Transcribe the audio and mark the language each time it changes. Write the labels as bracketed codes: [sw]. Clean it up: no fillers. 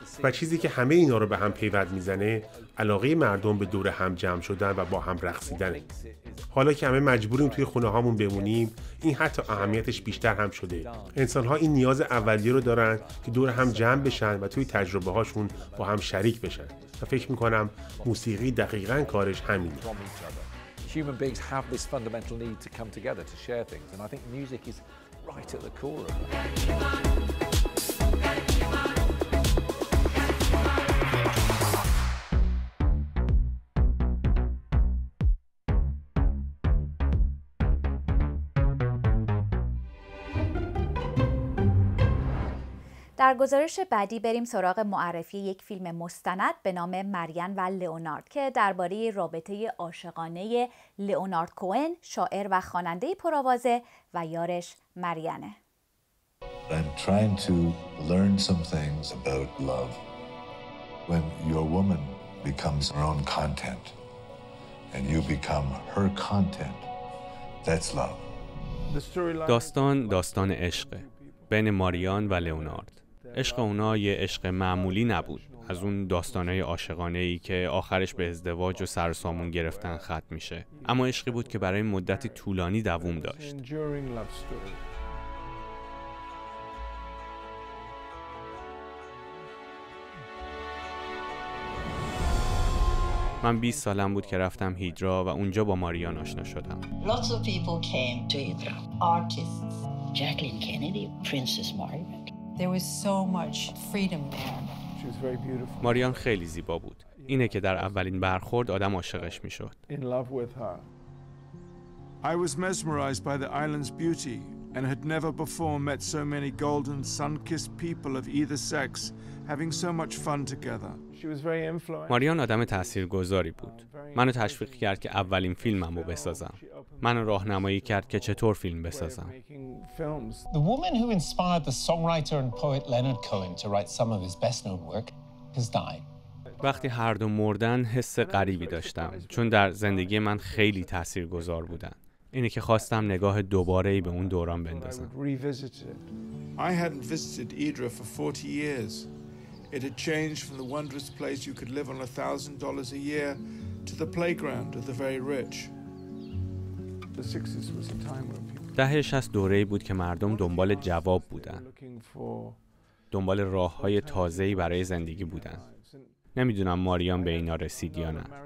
[fa] و چیزی که همه اینا رو به هم پیوند میزنه، علاقه مردم به دور هم جمع شدن و با هم رقصیدنه. حالا که همه مجبوریم توی خونه هامون بمونیم، این حتی اهمیتش بیشتر هم شده. انسان‌ها این نیاز اولیه رو دارن که دور هم جمع بشن و توی تجربه هاشون با هم شریک بشن. و فکر میکنم موسیقی دقیقاً کارش همینه. [en] Human beings have this fundamental need to come together to share things, and I think music is right at the core of it. [fa] در گزارش بعدی بریم سراغ معرفی یک فیلم مستند به نام مریان و لئونارد که درباره رابطه عاشقانه لئونارد کوئن، شاعر و خواننده پرآوازه و یارش مریانه. [en] I'm trying to learn some things about love. When your woman becomes her own content and you become her content, that's love. [fa] داستان داستان عشقه بین ماریان و لئونارد. عشق اونا یه عشق معمولی نبود، از اون داستانه عاشقانه ای که آخرش به ازدواج و سرسامون گرفتن ختم میشه، اما عشقی بود که برای مدتی طولانی دوام داشت. من 20 سالم بود که رفتم هیدرا و اونجا با ماریان آشنا شدم. [en] Lots of people came to Hydra. Artists, Jacqueline Kennedy, Princess Margaret. There was so much freedom there. She was very beautiful. [fa] ماریان خیلی زیبا بود. اینه که در اولین برخورد آدم عاشقش میشد. [en] In love with her. I was mesmerized by the island's beauty and had never before met so many golden sun-kissed people of either sex having so much fun together. [fa] ماریان آدم تاثیرگذاری بود. منو تشویق کرد که اولین فیلممو بسازم. منو راهنمایی کرد که چطور فیلم بسازم. [en] The woman who inspired the songwriter and poet Leonard Cohen to write some of his best-known work has died. [fa] وقتی هر دو مردن حس غریبی داشتم، چون در زندگی من خیلی تاثیرگذار بودن. اینه که خواستم نگاه دوباره‌ای به اون دوران بندازم. [en] I hadn't visited Edra for 40 years. It had changed from the wondrous place you could live on $1,000 a year to the playground of the very rich. The 60s was a time when people [fa] دهه 60 دوره‌ای بود که مردم دنبال جواب بودن. دنبال راه‌های تازه‌ای برای زندگی بودن. نمی‌دونم ماریان به اینا رسید یا نه.